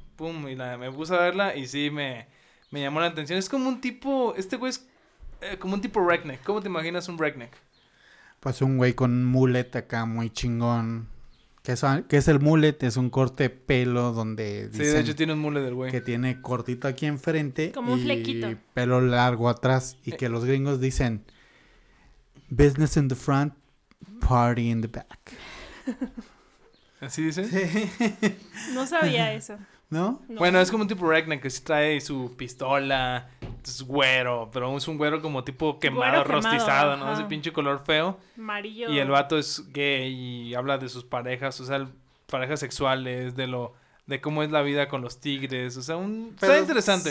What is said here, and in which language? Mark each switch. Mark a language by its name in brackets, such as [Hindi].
[Spanish] Pum, y me puse a verla y sí, me llamó la atención. Es como un tipo, este güey es como un tipo redneck. ¿Cómo te imaginas un redneck? Pues un güey con mulet acá muy chingón. Que es el mullet, es un corte de pelo donde dicen... Sí, de hecho tiene un mullet del güey. Que tiene cortito aquí enfrente. Como y un flequito. Y pelo largo atrás. Y que los gringos dicen... [English] Business in the front, party in the back. [Spanish] ¿Así dicen? Sí. No sabía eso. ¿No? Bueno, es como un tipo redneck que sí trae su pistola. Es güero, pero es un güero como tipo quemado, rostizado, quemado, ¿no? Ese pinche color feo. Amarillo. Y el vato es gay y habla de sus parejas, o sea, parejas sexuales, de cómo es la vida con los tigres, o sea, está interesante.